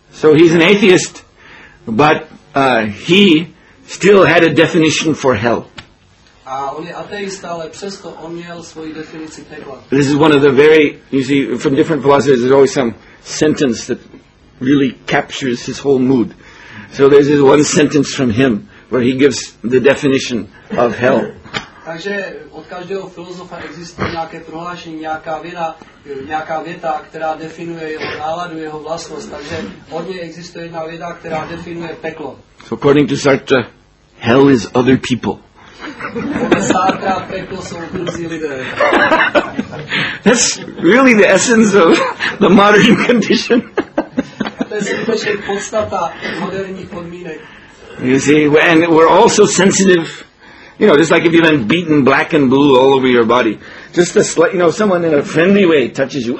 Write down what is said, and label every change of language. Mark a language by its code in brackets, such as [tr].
[en] So he's an atheist, but he still had a definition for hell. [cs] A on je ateista, ale přesto on měl svoji definici pekla. [en] This is one of the very, you see, from different philosophers, there's always some sentence that really captures his whole mood. So there's this one sentence from him where he gives the definition of hell. [cs] Takže od každého filozofa existuje nějaké prohlášení, nějaká věda, nějaká věta, která definuje jeho náladu, jeho vlastnost. Takže od něj existuje jedna věda, která definuje peklo. [en] So according to Sartre, hell is other people. [cs] Sartre, peklo jsou druzí lidé. [en] That's really the essence of the modern condition. [cs] To je skutečně podstata moderních podmínek. [en] You see, and we're also sensitive. You know, just like if you've been beaten black and blue all over your body. Just a slight, you know, someone in a friendly way touches you.